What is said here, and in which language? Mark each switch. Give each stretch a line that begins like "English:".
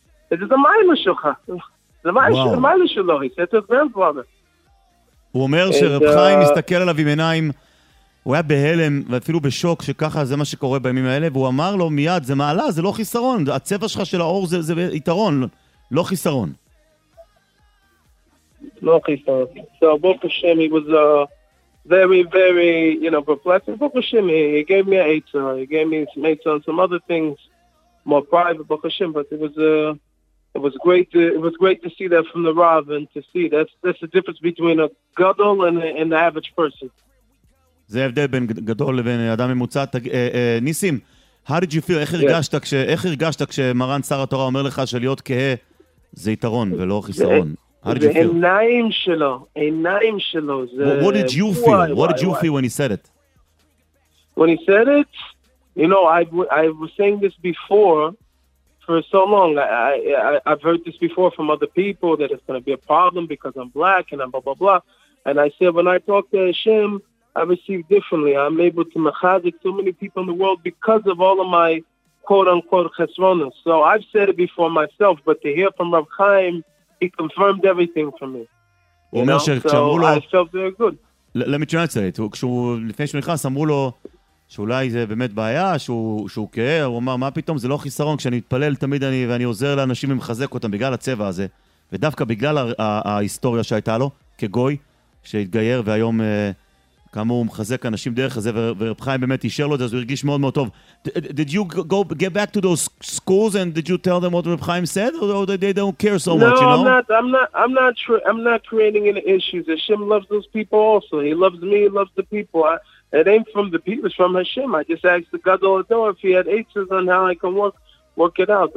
English: This is a maila shulcha. The maila shulcha. He said to his grandfather.
Hebrew: הוא אומר שרב חיים מסתכל עליו עם עיניים, הוא היה בהלם ואפילו בשוק שככה זה מה שקורה בימים האלה, והוא אמר לו מיד, זה מעלה, זה לא חיסרון, הצבע שלך של האור זה יתרון, לא חיסרון. לא חיסרון.
English: So,
Hebrew: ברוך השם,
English: very, very, you know, perplexing. Baruch Hashem, he gave me an Eitzah. He gave me some Eitzah and some other things, more private, Baruch Hashem. But it was great to see that from the Rav, and to see that's the difference between a gadol and the average person.
Hebrew: זה הבדל בין גדול לבין אדם ממוצע. ניסים,
English: how did you feel?
Hebrew: איך הרגשת כשמרן שר התורה אומר לך שלהיות כהה זה יתרון ולא חיסרון.
English: How did you feel?
Hebrew: עיניים שלו, עיניים שלו.
English: What did you feel? What did you feel when he said it? When he said it, you know, I was saying this before for so long. I've heard this before from other people that it's going to be a problem because I'm black and I'm blah, blah, blah. And I said, when I talk to Hashem, I receive differently. I'm able to mechazik so many people in the world because of all of my quote-unquote chesronos. So I've said it before myself, but to hear from Rav Chaim, he confirmed everything for me. You know? So I felt very good. Let me translate.
Hebrew: לפני שהוא נכנס, אמרו לו שאולי זה באמת בעיה, שהוא כהה. הוא אמר, מה פתאום? זה לא חיסרון. כשאני מתפלל תמיד ואני עוזר לאנשים ומחזק אותם בגלל הצבע הזה, ודווקא בגלל ההיסטוריה שהייתה לו, כגוי, שהתגייר, והיום כמה הוא מחזק אנשים דרך הזה, ורב חיים באמת אישר לו את זה, אז הוא הרגיש מאוד מאוד טוב.
English: Did you get back to those schools and did you tell them what Rav Chaim said? Or they don't care so much, you know? I'm not creating any issues. Hashem loves those people also. He loves me, he loves the people. It ain't from the people, it's from Hashem. I just asked the Gadol HaDor if he had answers on how I can work it out.